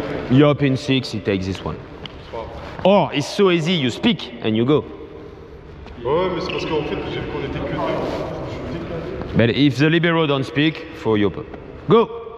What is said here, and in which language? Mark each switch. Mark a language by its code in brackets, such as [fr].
[en] You're up in six, it takes this one. Oh, it's so easy, you speak and you go. [fr] Ouais, mais c'est parce qu'en fait, j'ai vu qu'on était que deux. [en] But if the libero don't speak, for you, go!